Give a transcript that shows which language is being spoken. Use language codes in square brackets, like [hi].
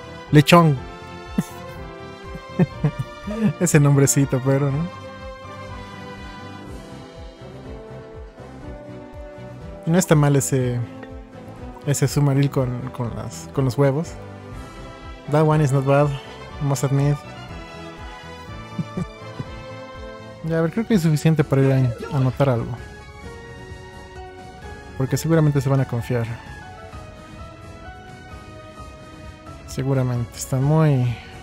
[es] Lechón. Ese nombrecito, pero no. No está mal ese sumaril con los huevos. [en] That one is not bad, must admit. [es] Ya, a ver, creo que es suficiente para ir a anotar algo. Porque seguramente se van a confiar. Seguramente está muy...